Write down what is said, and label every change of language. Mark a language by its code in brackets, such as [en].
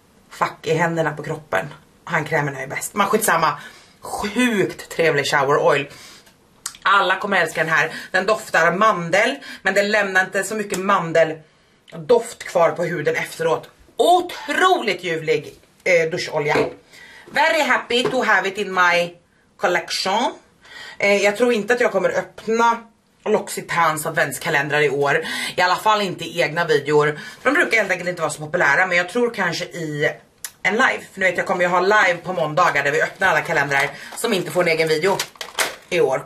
[sv] Fuck, i händerna på kroppen. Handkrämen är bäst. Man skitsamma, sjukt trevlig shower oil. Alla kommer älska den här. Den doftar mandel, men det lämnar inte så mycket mandeldoft kvar på huden efteråt. Otroligt ljuvlig duscholja. [en] Very happy to have it in my collection. [sv] Jag tror inte att jag kommer öppna L'Occitane adventskalendrar i år. I alla fall inte i egna videor. De brukar helt enkelt inte vara så populära, men jag tror kanske i en live. För nu vet jag, kommer ju ha live på måndagar där vi öppnar alla kalendrar som inte får en egen video i år.